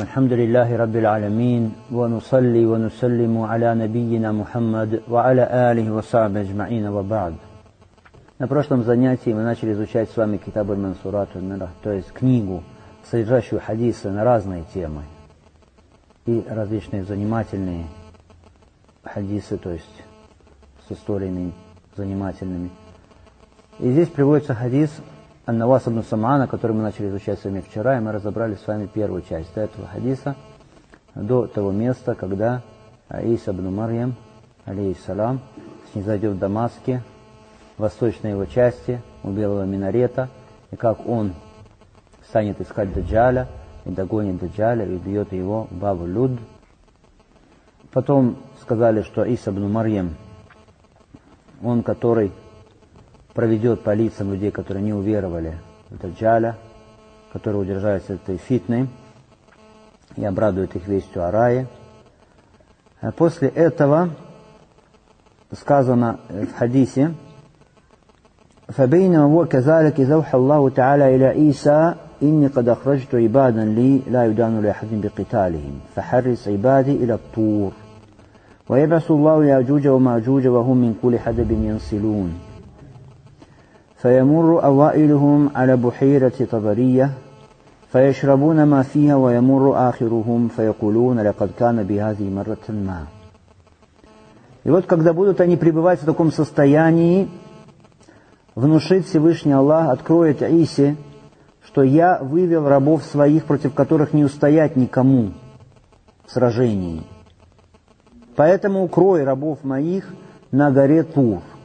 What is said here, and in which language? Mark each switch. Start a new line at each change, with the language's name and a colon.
Arabic: الحمد لله رب العالمين، ونصلي ونسلم على نبينا محمد وعلى آله وصحبه أجمعين، وبعد.
Russian: На прошлом занятии мы начали изучать с вами Китаб аль-Мансурат аль-Мирах, то есть книгу, содержащую хадисы на разные темы и различные занимательные хадисы, то есть с историями занимательными. И здесь приводится хадис Ан-Навас ибн Самана, который мы начали изучать с вами вчера, и мы разобрали с вами первую часть до этого хадиса, до того места, когда Иса ибн Марьям, алейхиссалам, снизойдет в Дамаске, в восточной его части, у белого минарета, и как он станет искать Даджаля, и догонит Даджаля, и убьет его Бабу-Люд. Потом сказали, что Иса ибн Марьям, он, который проведет по лицам людей, которые не уверовали в Даджаля, которые удержались от этой фитны, и обрадует их вестью о рае. После этого сказано в хадисе:
Arabic: فبينما هو كذلك زوح الله تعالى إلى عيسى إني قد أخرجت عبادا لي لا يدان لأحد بقتالهم فحرص عبادي إلى الطور ويبعث الله ياجوج وماجوج وهم من كل حدب ينسلون فيمر أوائلهم على بحيرة طبرية فيشربون ما فيها ويمر آخرهم فيقولون لقد كان بهذه مرة ما.
Russian: И вот когда будут они пребывать в таком состоянии, внушит Всевышний Аллах, откроет Исе, что я вывел рабов своих, против которых не устоять никому в сражении. Поэтому укрой рабов моих на горе Тур.